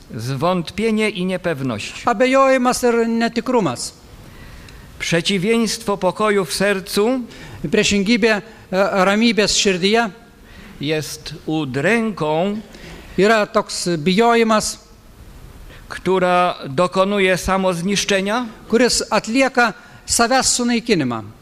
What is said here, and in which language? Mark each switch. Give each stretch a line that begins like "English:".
Polish: Zvontpienie i niepewność.
Lithuanian: Abejojimas ir netikrumas.
Polish: Przeciwieństwo pokoju w sercu.
Lithuanian: Priešingybė ramybės širdyje.
Polish: Jest udręką.
Lithuanian: Yra toks bijojimas.
Polish: Która dokonuje samozniszczenia.
Lithuanian: Kuris atlieka savęs sunaikinimą.